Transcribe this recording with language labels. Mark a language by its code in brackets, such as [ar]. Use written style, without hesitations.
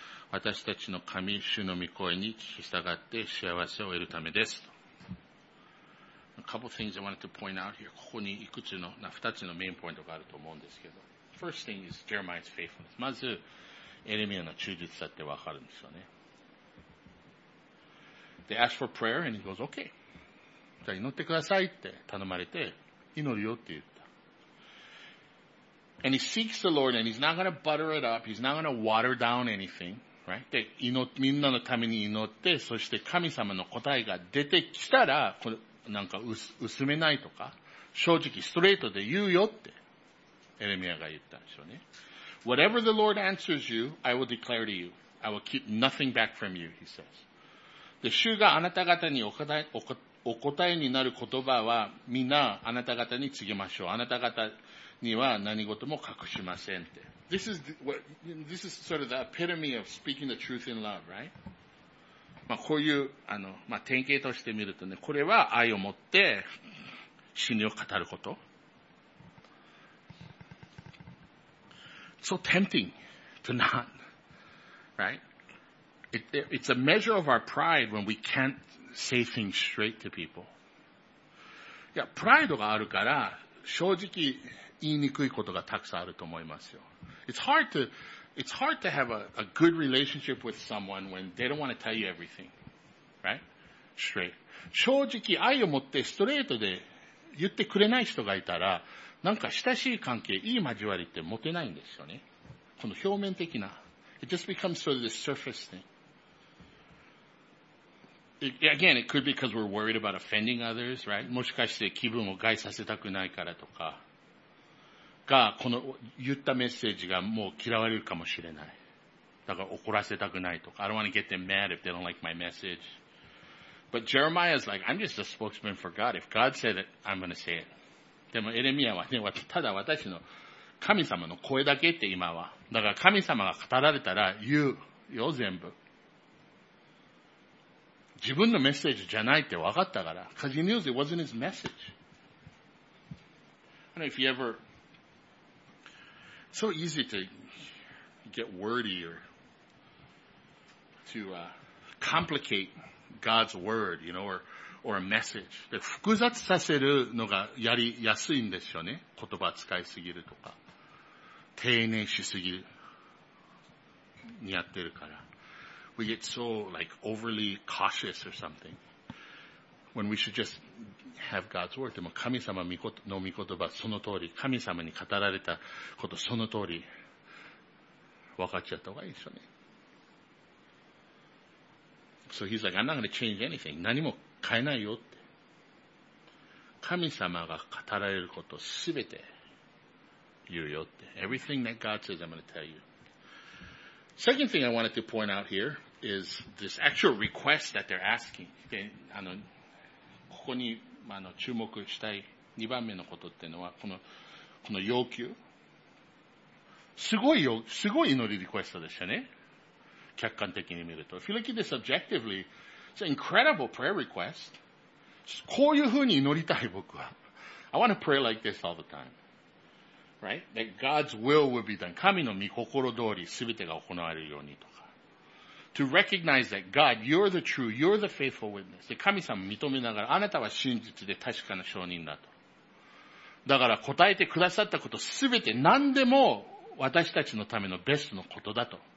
[ja] 私たちの神、主の御声に聞き従って幸せを得るためです。 [en] A couple things I wanted to point out here. [ja] ここにいくつの、二つのメインポイントがあると思うんですけど。 [en] First thing is Jeremiah's faithfulness. [ja] まず、エレミアの忠実さってわかるんですよね。 [en] They ask for prayer and he goes, okay. [ja] じゃあ祈ってくださいって頼まれて祈るよって言った。 [en] And he seeks the Lord and he's not gonna butter it up, he's not gonna water down anything, right? [ja] で、みんなのために祈って、そして神様の答えが出てきたら、なんか薄めないとか、正直ストレートで言うよって、エレミアが言ったんでしょうね。 [en] Whatever the Lord answers you, I will declare to you. I will keep nothing back from you, he says. [ja] で、主があなた方にお答えになる言葉はみんなあなた方に告げましょう。あなた方には何事も隠しませんって。 [en] This is sort of the epitome of speaking the truth in love, right? [ja] まあこういう、まあ典型として見るとね、これは愛を持って真理を語ること。 [en] It's so tempting to not, right? It's a measure of our pride when we can'tSay things straight to people. [ja] いや、プライドがあるから、正直言いにくいことがたくさんあると思いますよ。 [en] It's hard to have a good relationship with someone when they don't want to tell you everything. Right? Straight. [ja] 正直愛を持ってストレートで言ってくれない人がいたら、なんか親しい関係、いい交わりって持てないんですよね。この表面的な。 [en] It just becomes sort of the surface thing. Again, it could be because we're worried about offending others, right? [ja] もしかして気分を害させたくないからとか、が、この言ったメッセージがもう嫌われるかもしれない。だから怒らせたくないとか。 [en] I don't want to get them mad if they don't like my message. But Jeremiah's like, I'm just a spokesman for God. If God said it, I'm going to say it. [ja] でもエレミアはね、ただ私の神様の声だけって今は。だから神様が語られたら言うよ、全部。自分のメッセージじゃないって分かったから。 [en] Because he knew it wasn't his message. I don't know if you ever... It's so easy to get wordy or to complicate God's word, you know, or, or a message. [ja] で、複雑させるのがやりやすいんですよね。言葉使いすぎるとか。丁寧しすぎる。にやってるから。 [en] We get so, like, overly cautious or something. When we should just have God's word. [ja] でも神様の御言葉その通り、神様に語られたことその通り、分かっちゃった方がいいですよね。 [en] So he's like, I'm not going to change anything. [ja] 何も変えないよって。神様が語られることすべて言うよって。 [en] Everything that God says, I'm going to tell you. Second thing I wanted to point out here is this actual request that they're asking. [ja] で、ここに、注目したい2番目のことっていうのは、この要求。すごい祈りリクエストでしたね。客観的に見ると。 [en] If you look at this objectively, it's an incredible prayer request. [ja] こういうふうに祈りたい僕は。 [en] I want to pray like this all the time. Right? That God's will be done. [ja] 神の御心通り全てが行われるようにとか。 [en] To recognize that God, you're the true, you're the faithful witness. [ja] で、神様認めながら、あなたは真実で確かな証人だと。だから答えてくださったこと全て何でも私たちのためのベストのことだと。